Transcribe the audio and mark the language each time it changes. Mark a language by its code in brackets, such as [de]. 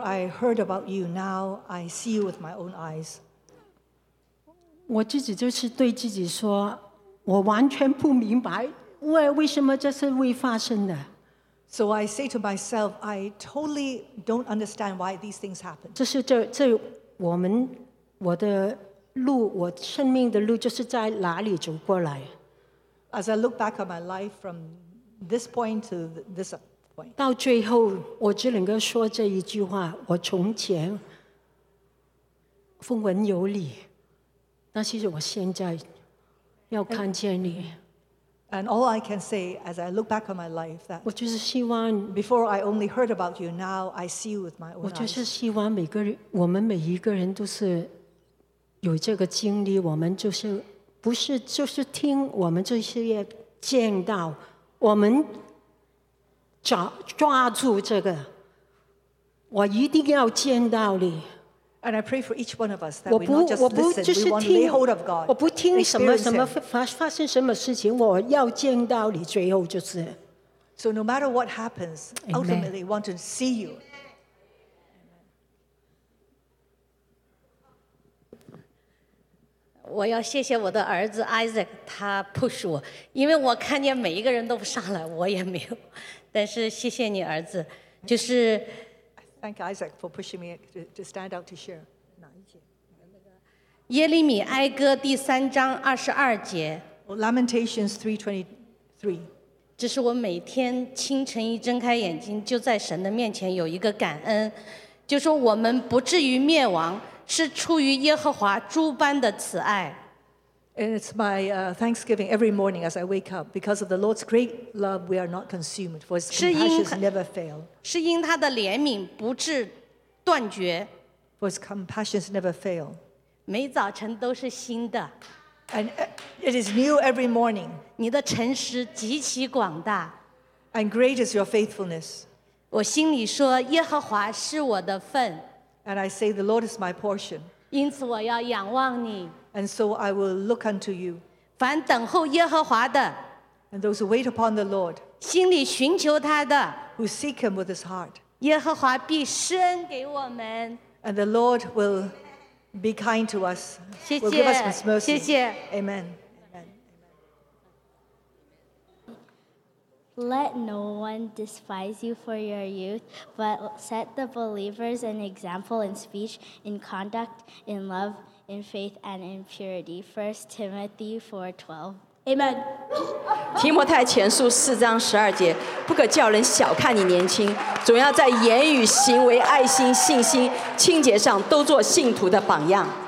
[en] I heard about you, now I see you with my own eyes. [zh] 我自己就是对自己说，我完全不明白为什么这事会发生的。 [en] So I say to myself, I totally don't understand why these things happen. [zh] 这是这这我们我的路，我生命的路就是在哪里走过来。 [en] As I look back at my life from this point to this point, [zh] 到最后，我只能够说这一句话：我从前风闻有你，但是我现在要看见你。 [en] And all I can say as I look back on my life that [zh] 我就是希望 [en] before I only heard about you, now I see you with my own eyes. [zh] 我就是希望每个人，我们每一个人都是有这个经历，我们就是不是就是听，我们就是要见到，我们抓住这个，我一定要见到你。 [en] And I pray for each one of us that we not just listen, we want to lay hold of God. [zh] 我不听什么什么发生什么事情，我要见到你。最后就是 [en] ，So no matter what happens, ultimately want to see you. [zh] Amen. 我要谢谢我的儿子 Isaac， 他 push 我，因为我看见每一个人都上来，我也没有。但是谢谢你儿子，就是。 [en] Thank Isaac for pushing me to stand out to share. [zh] 哪一节？耶利米哀歌第三章二十二节。 [en] Lamentations 3:23. [zh] 这是我每天清晨一睁开眼睛，就在神的面前有一个感恩，就说我们不至于灭亡，是出于耶和华诸般的慈爱。 [en] And it's my thanksgiving every morning as I wake up because of the Lord's great love. We are not consumed, for His compassions never fail. [zh] 是因他的怜悯不致断绝。 [en] For His compassions never fail. [zh] 每早晨都是新的。 [en] And it is new every morning. [zh] 你的诚实极其广大。 [en] And great is your faithfulness. [zh] 我心里说耶和华是我的份。 [en] And I say the Lord is my portion. [zh] 因此我要仰望你。 [en] And so I will look unto you. [zh] 凡等候耶和华的 [en] And those who wait upon the Lord. [zh] 心里寻求他的 [en] Who seek him with his heart. [zh] 耶和华必施恩给我们 [en] And the Lord will be kind to us. [zh] 谢谢 [en] Will give us his mercy. [zh] 谢谢 [en] Amen. Let no one despise you for your youth, but set the believers an example in speech, in conduct, in love. In faith and in purity, 1 Timothy 4:12. Amen. [zh] 提摩太前书四章十二节，不可叫人小看你年轻，总要在言语、行为、爱心、信心、清洁上都做信徒的榜样。